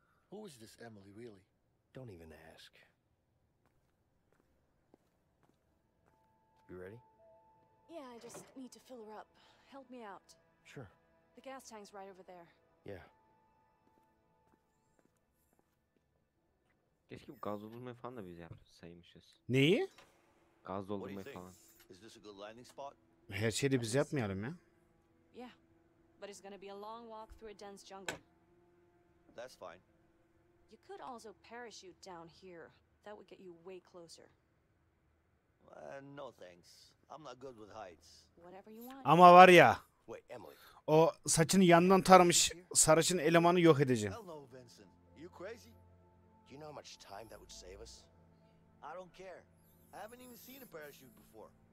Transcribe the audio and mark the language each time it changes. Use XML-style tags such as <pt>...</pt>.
<en>Who is this Emily really? Don't even ask. You ready? Yeah, I just need to fill her up. Help me out. Sure. The gas tank's right over there. Yeah.</en> <tr>Keşke bu gaz doldurmayı falan da biz yapsaymışız. Neyi? Gaz doldurmayı falan.</tr> <en>Is this a good landing spot?</en> <tr>Her şeyi biz yapmayalım ya.</tr> <en>Yeah. But it's gonna be a long walk through a dense jungle. That's fine. You could also parachute down here. That would get you way closer. No thanks. I'm not good with heights. Whatever you want.</en> <tr>Ama var ya.</tr> <en>Wait, Emily.</en> <tr>O saçını yandan tarmış sarışın elemanı yok edeceğim.</tr> <en>Hello, Vincent. You crazy? You know how much time that would save us? I don't care. I haven't even seen a parachute before.</en>